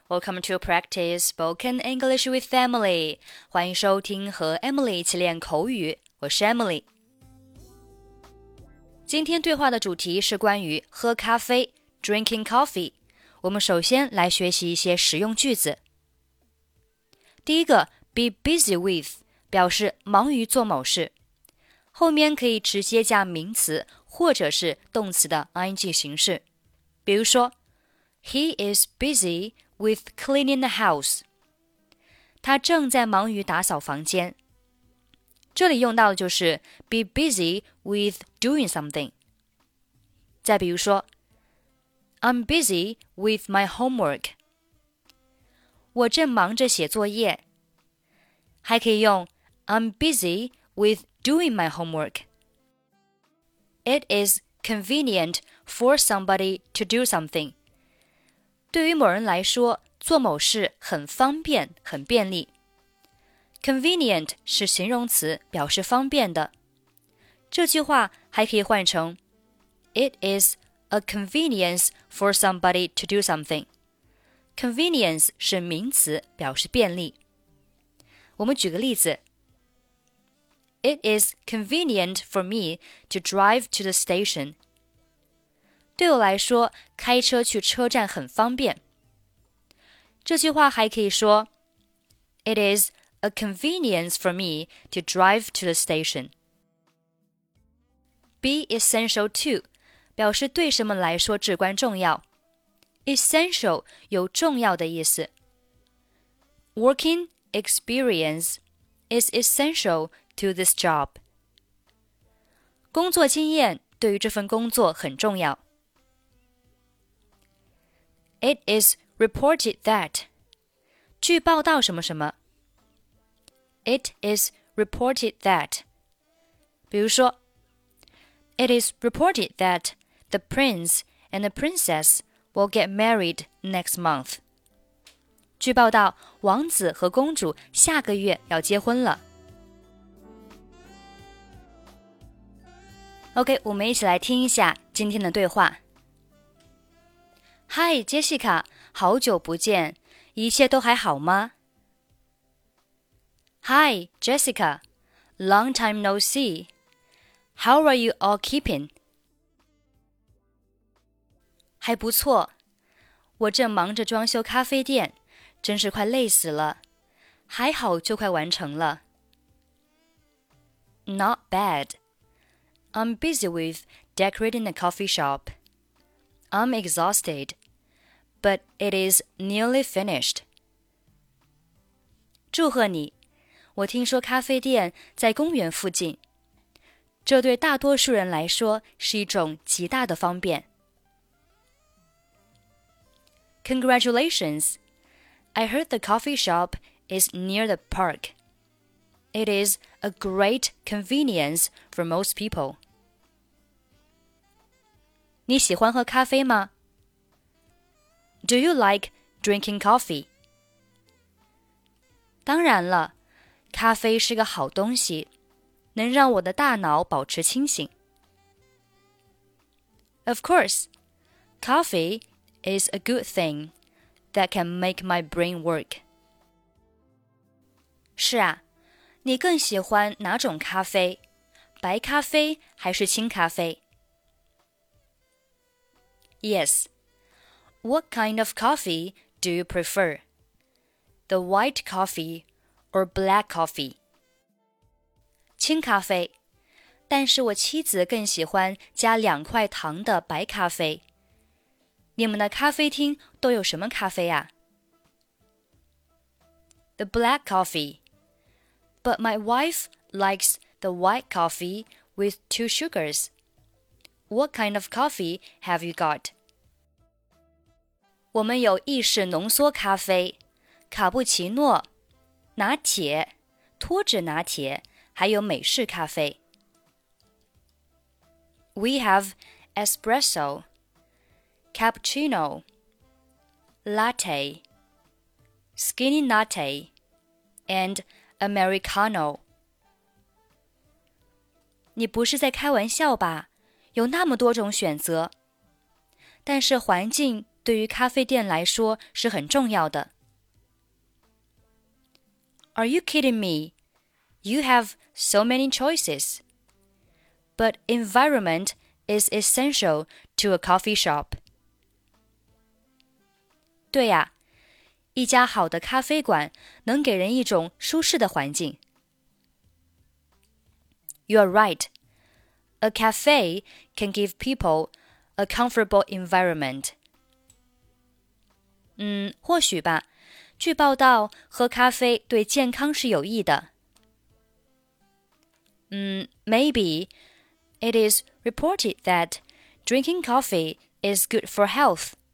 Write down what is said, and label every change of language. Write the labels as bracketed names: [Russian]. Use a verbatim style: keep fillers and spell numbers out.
[English] Welcome to practice spoken English with Emily. [Chinese] 欢迎收听和 Emily 一起练口语，我是 Emily。今天对话的主题是关于喝咖啡 ， [English] drinking coffee。 [Chinese] 我们首先来学习一些实用句子。第一个 ， [English] be busy with [Chinese] 表示忙于做某事，后面可以直接加名词或者是动词的 ing 形式，比如说。 [English] He is busy with cleaning the house. [Chinese] 他正在忙于打扫房间。这里用到的就是 [English] be busy with doing something. [Chinese] 再比如说 [English] I'm busy with my homework. [Chinese] 我正忙着写作业。还可以用 [English] I'm busy with doing my homework. It is convenient for somebody to do something. [Chinese] 对于某人来说，做某事很方便，很便利。 Convenient 是形容词，表示方便的。这句话还可以换成 [English] It is a convenience for somebody to do something. [Chinese] Convenience 是名词，表示便利。我们举个例子。 [English] It is convenient for me to drive to the station. [Chinese] 对我来说，开车去车站很方便。这句话还可以说 [English] It is a convenience for me to drive to the station. Be essential to [Chinese] 表示对什么来说至关重要。 Essential 有重要的意思。 [English] Working experience is essential to this job. [Chinese] 工作经验对于这份工作很重要。 [English] It is reported that. [Chinese] 据报道什么什么。 [English] It is reported that. [Chinese] 比如说 [English] It is reported that the prince and the princess will get married next month. [Chinese] 据报道，王子和公主下个月要结婚了。 OK, 我们一起来听一下今天的对话。嗨，杰西卡，好久不见，一切都还好吗？ [English] Hi, Jessica, long time no see. How are you all keeping? 还不错，我正忙着装修咖啡店，真是快累死了，还好就快完成了。 Not bad. I'm busy with decorating a coffee shop. I'm exhausted. But it is nearly finished. [Chinese] 祝贺你！我听说咖啡店在公园附近，这对大多数人来说是一种极大的方便。 [English] Congratulations! I heard the coffee shop is near the park. It is a great convenience for most people. [Chinese] 你喜欢喝咖啡吗？ [English] Do you like drinking coffee? [Chinese] 当然了，咖啡是个好东西，能让我的大脑保持清醒。 [English] Of course, coffee is a good thing that can make my brain work. [Chinese] 是啊，你更喜欢哪种咖啡？白咖啡还是轻咖啡？ [English] Yes. What kind of coffee do you prefer? The white coffee or black coffee? [Chinese] 轻咖啡，但是我妻子更喜欢加两块糖的白咖啡。你们的咖啡厅都有什么咖啡啊？ [English] The black coffee. But my wife likes the white coffee with two sugars. What kind of coffee have you got? [Chinese] 我们有意式浓缩咖啡、卡布奇诺、拿铁、脱脂拿铁，还有美式咖啡。 [English] We have espresso, cappuccino, latte, skinny latte, and Americano. [Chinese] 你不是在开玩笑吧？有那么多种选择。但是环境对于咖啡店来说是很重要的。 [English] Are you kidding me? You have so many choices. But environment is essential to a coffee shop. [Chinese] 对呀，一家好的咖啡馆能给人一种舒适的环境。 [English] You're right. A cafe can give people a comfortable environment. [Chinese] 嗯，或许吧。据报道，喝咖啡对健康是有益的。 [English] 嗯 maybe it is reported that drinking coffee is good for health.